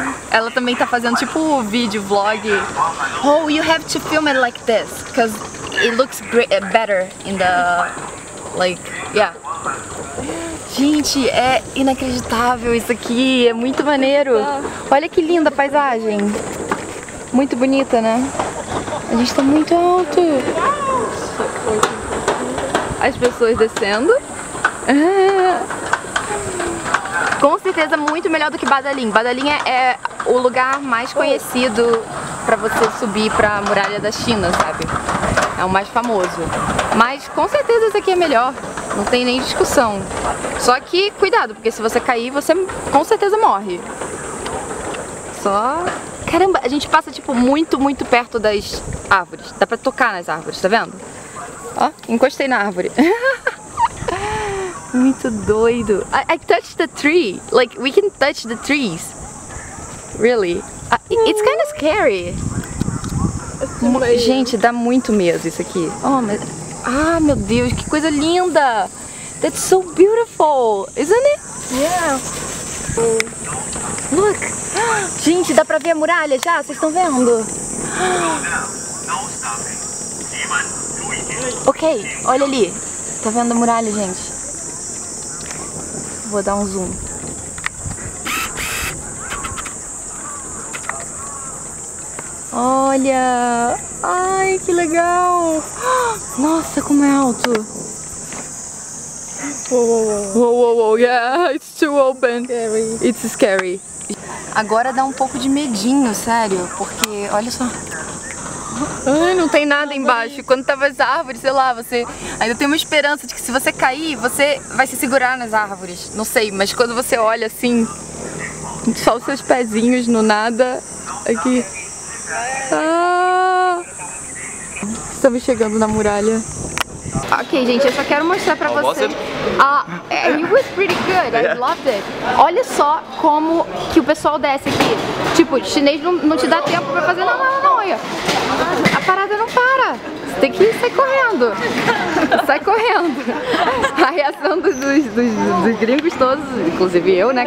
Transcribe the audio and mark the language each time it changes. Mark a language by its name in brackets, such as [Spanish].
[Portuguese] Ela também tá fazendo tipo vídeo, vlog. [English] Oh, you have to film it like this. Because it looks better in the... Like, yeah. [Portuguese] Gente, é inacreditável isso aqui, é muito maneiro. Olha que linda a paisagem. Muito bonita, né? A gente tá muito alto. As pessoas descendo. Com certeza muito melhor do que Badalim. Badalim é o lugar mais conhecido pra você subir pra Muralha da China, sabe? É o mais famoso. Mas com certeza esse aqui é melhor. Não tem nem discussão. Só que cuidado, porque se você cair, você com certeza morre. Só... Caramba, a gente passa, tipo, muito, muito perto das árvores. Dá pra tocar nas árvores, tá vendo? Ó, encostei na árvore. Muito doido. [English] I touched the tree. Like, we can touch the trees. Really? It's kind of scary. [Portuguese] Gente, dá muito medo isso aqui. Oh, mas... Ah, meu Deus, que coisa linda! [English] That's so beautiful, isn't it? Yeah. Look! [Portuguese] Gente, dá pra ver a muralha já? Vocês estão vendo? Ok, olha ali. Tá vendo a muralha, gente? Vou dar um zoom. Olha! Ai, que legal! Nossa, como é alto! [English] Whoa, yeah, it's too open. Scary. It's scary. [Portuguese] Agora dá um pouco de medinho, sério, porque olha só. Ai, não tem nada embaixo. Quando tava as árvores, sei lá, você. Ainda tem uma esperança de que se você cair, você vai se segurar nas árvores. Não sei, mas quando você olha assim, só os seus pezinhos no nada. Aqui. Ah! Estamos chegando na muralha. Ok, gente, eu só quero mostrar pra vocês. [English] It was pretty good, I loved it. [Portuguese] Olha só como que o pessoal desce aqui. Tipo, chinês não te dá tempo pra fazer não. Olha. A parada não para. Você tem que sair correndo. Sai correndo. A reação dos gringos todos, inclusive eu, né?